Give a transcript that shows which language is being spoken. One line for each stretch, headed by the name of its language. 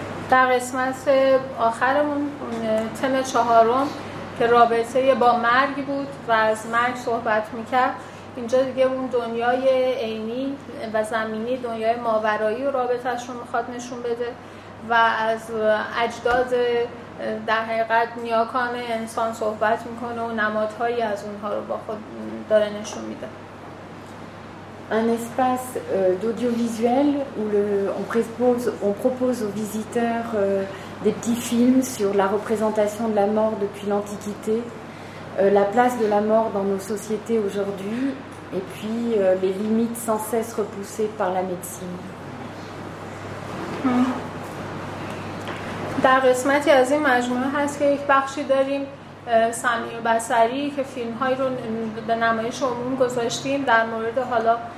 Persian: در قسمت آخرمون تم چهارم که رابطه با مرگ بود و از مرگ صحبت میکرد، اینجا دیگه اون دنیای عینی و زمینی، دنیای ماورایی و رابطهش رو میخواد نشون بده و از اجداد در حقیقت نیاکان انسان صحبت میکنه و نمادهایی از اونها رو با خود داره نشون میده.
French: Un espace d'audiovisuel où on propose aux visiteurs des petits films sur la représentation de la mort depuis l'Antiquité, la place de la mort dans nos sociétés aujourd'hui, et puis les limites sans cesse repoussées par la médecine.
Persian: در قسمتی از این مجموعه هست که یک بخشی داریم سمعی و بصری که فیلم‌های رو به نمایش عموم گذاشتیم در مورد حالا